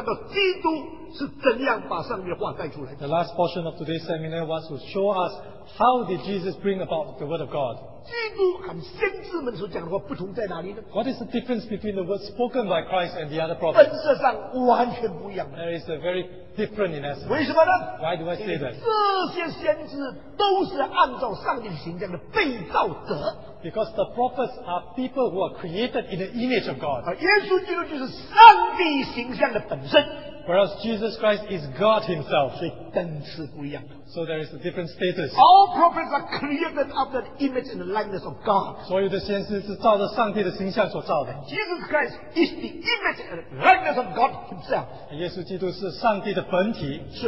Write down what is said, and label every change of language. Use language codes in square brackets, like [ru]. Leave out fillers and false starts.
[zh] 所以我们这个讲座今天的最后一段要看到基督是怎样把上帝的话带出来. [en] The last portion of today's seminar was to show us how did Jesus bring about the word of God. [zh] 基督和先知们所讲的话不同在哪里呢? [en] What is the difference between the words spoken by Christ and the other prophets? [zh] 本质上完全不一样的. [en] There is a very different in essence. [zh] 为什么呢? [en] Why do I say that? [zh] 这些先知都是按照上帝形象的被造者. [en] Because the prophets are people who are created in the image of God. [zh] 耶稣基督就是上帝形象的本身. [en] Whereas Jesus Christ is God himself. [zh] 所以等次不一样的. [en] So there is a different status. All prophets are created after the image and the likeness of God. [zh] 所有的先知是照着上帝的形象所造的. [en] Jesus Christ is the image and likeness of God himself. [zh] 耶稣基督是上帝的本体.